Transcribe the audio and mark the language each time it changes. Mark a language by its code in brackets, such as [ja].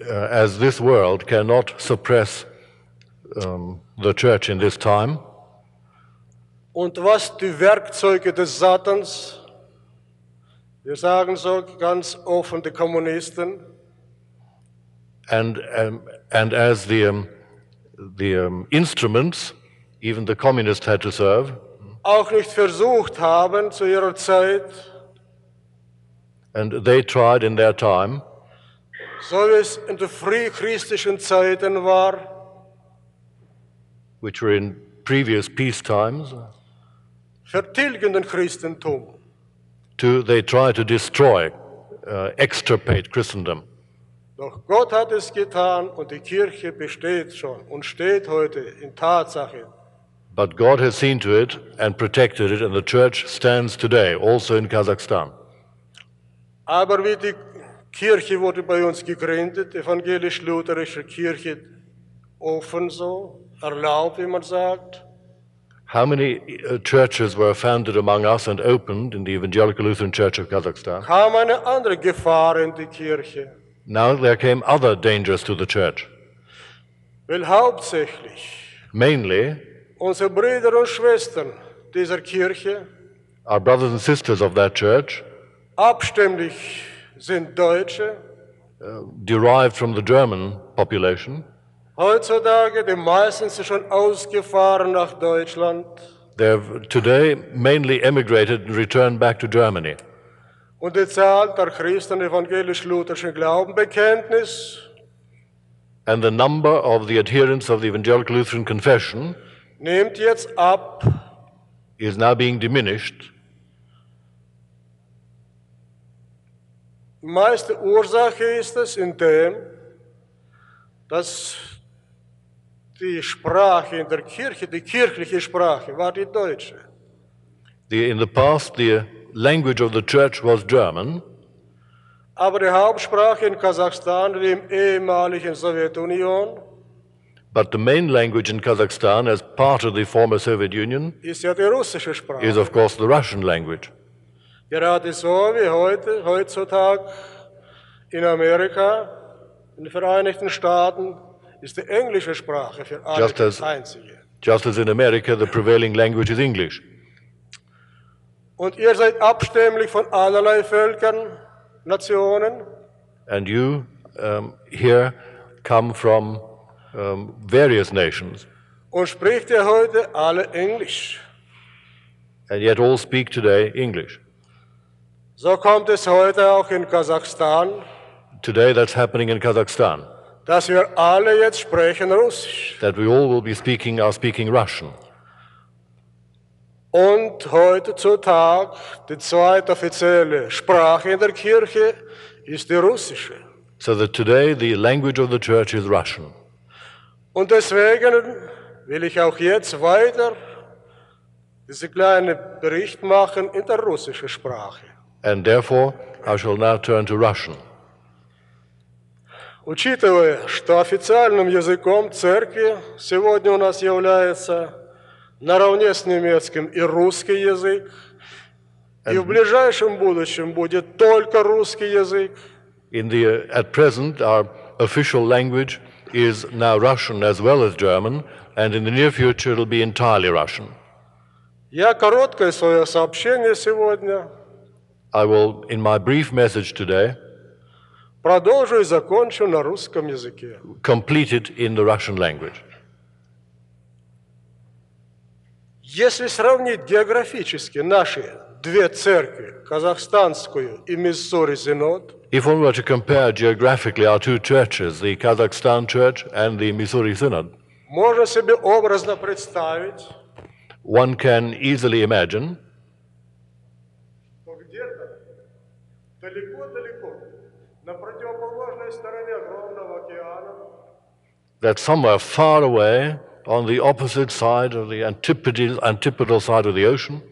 [en] As this world cannot suppress the church in this time. [de] Und was die Werkzeuge des Satans? Wir sagen so ganz offen die Kommunisten. [en] And as the instruments, even the communists had to serve. [de] Auch nicht versucht haben zu ihrer Zeit. [en] And they tried in their time. [de] So wie es in den frühchristlichen Zeiten war. [en] Which were in previous peace times. [de] Vertilgen den Christentum. [en] They try to destroy, extirpate Christendom. [de] Doch Gott hat es getan und die Kirche besteht schon und steht heute in Tatsache. [en] But God has seen to it and protected it and the church stands today, also in Kazakhstan. [de] Aber wie die Kirche wurde bei uns gegründet, evangelisch-lutherische Kirche, offen so, erlaubt, wie man sagt. [en] How many churches were founded among us and opened in the Evangelical Lutheran Church of Kazakhstan? [de] Kam eine andere Gefahr in die Kirche. [en] Now there came other dangers to the church. [de] Weil hauptsächlich [en] mainly [de] unsere Brüder und Schwestern dieser Kirche, [en] our brothers and sisters of that church, [de] abstimmlich sind Deutsche, [en] derived from the German population. [de] Heutzutage die meisten sind schon ausgefahren nach Deutschland. [en] They have today mainly emigrated and returned back to Germany. [de] Und die Zahl der Christen evangelisch-lutherischen Glaubenbekenntnis. [en] And the number of the adherents of the Evangelical Lutheran Confession [de] nimmt jetzt ab. [en] Is now being diminished. [de] Die meiste Ursache ist es in dem, dass die Sprache in der Kirche, die kirchliche Sprache, war die Deutsche. [en] In the past, the language of the church was German. [de] Aber die Hauptsprache in Kasachstan, wie im ehemaligen Sowjetunion, [en] but the main language in Kazakhstan, as part of the former Soviet Union, [de] ist ja die russische Sprache, [en] is of course the Russian language. [de] Gerade so wie heutzutage in Amerika, in den Vereinigten Staaten, ist die englische Sprache für alle die einzige. [en] Just as in America, the prevailing language is English. [de] Und ihr seid abstammlich von allerlei Völkern, Nationen. [en] And you here come from various nations. [de] Und spricht ihr heute alle Englisch? [en] And yet all speak today English. [de] So kommt es heute auch in Kasachstan. [en] Today that's happening in Kazakhstan. [de] Dass wir alle jetzt sprechen Russisch. [en] That we all will be speaking, are speaking Russian. [de] Und heutzutage die zweite offizielle Sprache in der Kirche ist die russische. [en] So that today the language of the church is Russian. [de] Und deswegen will ich auch jetzt weiter diesen kleinen Bericht machen in der russischen Sprache. [en] And therefore, I shall now turn to Russian. [ru] Учитывая, что официальным языком церкви сегодня у нас является наравне с немецким и русский язык, and и в ближайшем будущем будет только русский язык. [en] At present, our official language is now Russian as well as German, and in the near future it'll be entirely Russian. [ru] Я короткое свое сообщение сегодня. [en] I will, in my brief message today, [ru] продолжу и закончу на русском языке. [en] Complete it in the Russian language. [ru] Если сравнить географически наши две церкви, казахстанскую и Миссури Синод, [en] if one were to compare geographically our two churches, the Kazakhstan Church and the Missouri Synod, [ru] можно себе образно представить, [en] one can easily imagine, [ru] что где-то далеко-далеко, на противоположной стороне огромного океана, [en] that somewhere far away, on the opposite side of the antipodal side of the ocean,